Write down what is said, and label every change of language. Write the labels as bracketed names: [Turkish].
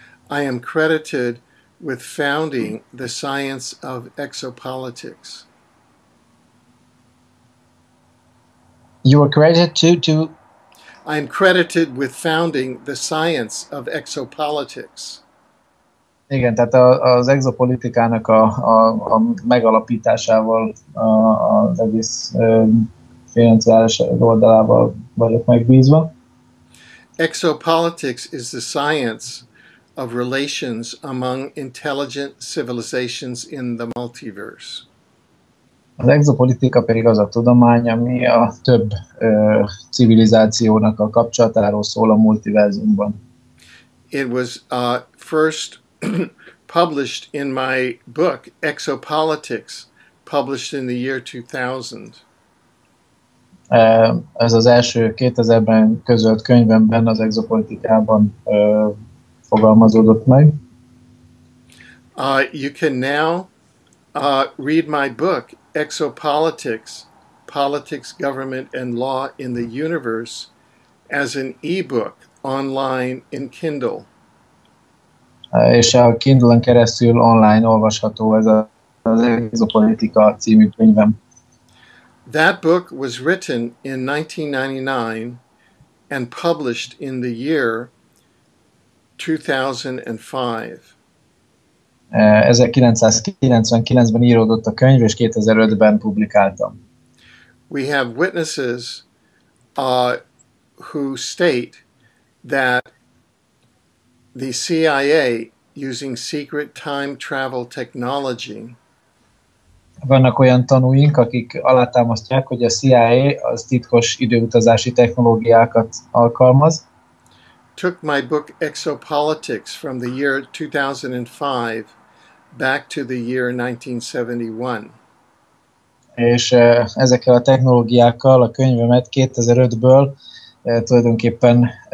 [English] I am credited with founding the science of exopolitics. You are credited to I am credited with founding the science of exopolitics. [Hungarian] Igen, tehát az exopolitikának a megalapításával, az egész financiális oldalával vagyok megbízva. [English] Exopolitics is the science of relations among intelligent civilizations in the multiverse. [Hungarian] Az exopolitika pedig az a tudomány, ami a több civilizációnak a kapcsolatáról szól a multiverzumban. [English] It was first published in my book Exopolitics, published in the year 2000. [Hungarian] Ez az első 2000-ben közölt könyvemben az exopolitikában fogalmazódott meg. [English] You can now read my book Exopolitics, Politics, Government and Law in the Universe as an e-book online in Kindle. [Hungarian] És a Kindle-en keresztül online olvasható ez az Exopolitika című könyvem. [English] That book was written in 1999 and published in the year 2005. [Hungarian] 1999-ben íródott a könyv, és 2005-ben publikáltam. [English] We have witnesses who state that the CIA using secret time travel technology. [Hungarian] Vannak olyan tanúink, akik alátámasztják, hogy a CIA az titkos időutazási technológiákat alkalmaz. [English] Took my book Exopolitics from the year 2005 back to the year 1971. [Hungarian] És ezekkel a technológiákkal a könyvemet 2005-ből tulajdonképpen